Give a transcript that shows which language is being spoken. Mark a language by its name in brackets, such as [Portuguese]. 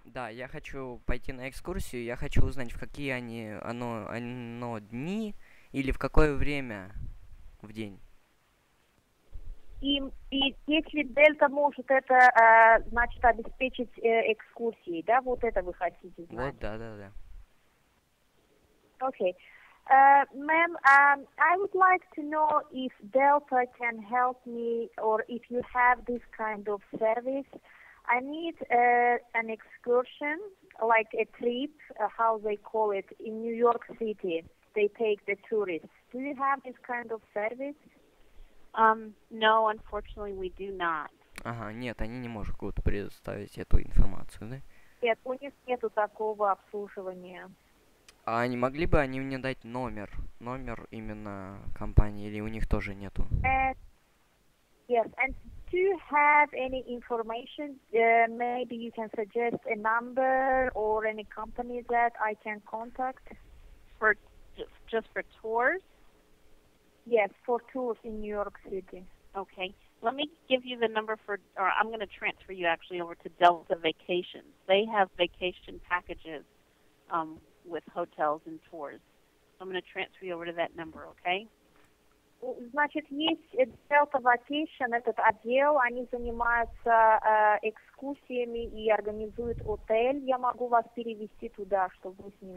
[Russian] Да, я хочу пойти на экскурсию. Я хочу узнать, в какие оно дни или в какое время в день. И если Дельта может это, значит, обеспечить экскурсией, да? Вот это вы хотите знать? Вот, да. Окей. [English] Ma'am, I would like to know if Delta can help me or if you have this kind of service. I need an excursion, like a trip, how they call it, in New York City. They take the tourists. Do you have this kind of service? No, unfortunately, we do not. [Russian] Ага, нет, они не могут предоставить эту информацию, да? Нет, у них нету такого обслуживания. А не могли бы они мне дать номер именно компании, или у них тоже нету? [English] Yes, and do you have any information? Maybe you can suggest a number or any company that I can contact for just for tours? Yes, for tours in New York City. Okay, let me give you the number for, or I'm going to transfer you actually over to Delta Vacations. They have vacation packages. With hotels and tours. So I'm going to transfer you over to that number, okay? [Russian] Значит, есть Delta Vacation, этот отдел, они занимаются экскурсиями и организуют отель. Я могу вас перевести туда, чтобы вы с ними...